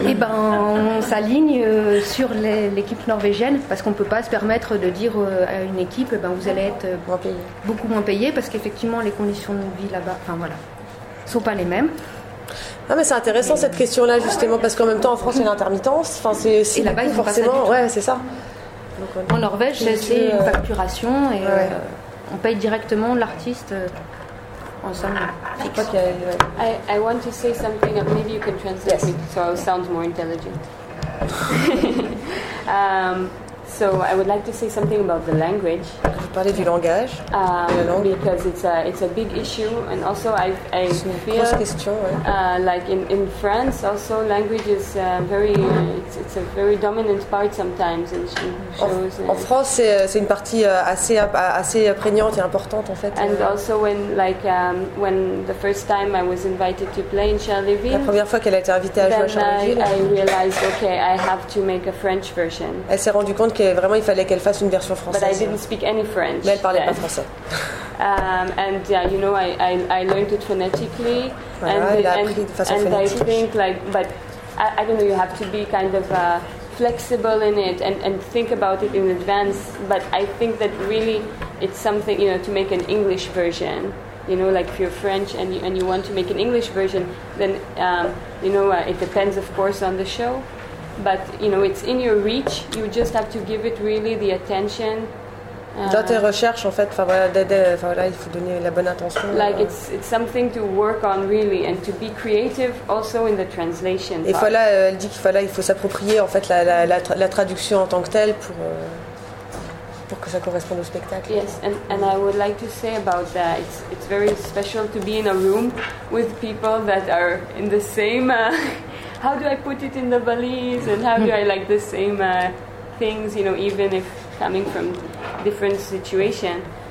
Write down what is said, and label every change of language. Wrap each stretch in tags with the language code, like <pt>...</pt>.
<fr>on s'aligne sur l'équipe norvégienne, parce qu'on ne peut pas se permettre de dire à une équipe vous allez être beaucoup moins payé, parce qu'effectivement les conditions de vie là-bas ne sont pas les mêmes. Ah mais c'est intéressant cette question-là justement parce qu'en même temps en France il y a une intermittence. Enfin c'est aussi et là-bas, beaucoup, forcément, pas ça c'est ça. Donc, en Norvège c'est une facturation et on paye directement l'artiste en somme fixe.</fr> <en>Okay. I want to say something and maybe you can translate yes. me so I sound more intelligent. So I would like to say something about the language.</en> <fr>Vous parlez du langage, de la langue.</fr> <en>Because it's a big issue, and also I feel</en> <fr>question, ouais.</fr> <en>Like in France also language is very it's a very dominant part sometimes in shows.</en> <fr>En France, c'est une partie assez prégnante et importante en fait.</fr> <en>And also when like when the first time I was invited to play in Charleville.</en> <fr>La première fois qu'elle a été invitée à jouer à Charleville.</fr> <en>Then I realized okay I have to make a French version.</en> <fr>Elle s'est rendue compte que vraiment il fallait qu'elle fasse une version française.</fr> <en>But I didn't speak any French.</en> <fr>Mais elle parlait pas français.</fr> <en>And yeah, you know, I learned it phonetically.</en> <fr>Voilà,</fr> <en>and</en> <fr>elle a appris de façon phonétique.</fr> <en>And I think like, but I don't know, you have to be kind of flexible in it and think about it in advance. But I think that really it's something, you know, to make an English version. You know, like if you're French and you want to make an English version, then you know, it depends of course on the show. But you know it's in your reach. You just have to give it really the attention.</en> <fr>Dans tes recherches, en fait, voilà, il faut donner la bonne attention.</fr> <en>Like it's something to work on really and to be creative also in the translation.</en> <fr>Et voilà, elle dit qu'il faut s'approprier en fait la traduction en tant que telle pour que ça corresponde au spectacle.</fr> <en>Yes, and I would like to say about that. It's very special to be in a room with people that are in the same. How do I put it in the valise? And how do I like the same things, you know, even if coming from different situation?</en>